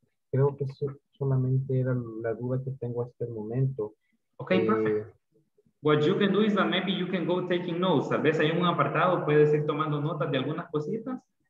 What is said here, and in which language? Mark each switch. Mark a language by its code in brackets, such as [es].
[es] Creo que eso solamente era la duda que tengo hasta el momento. Ok, perfecto. [en] What you can do is that maybe you can go taking notes. [es] Tal vez hay un apartado, puedes ir tomando notas de algunas cositas.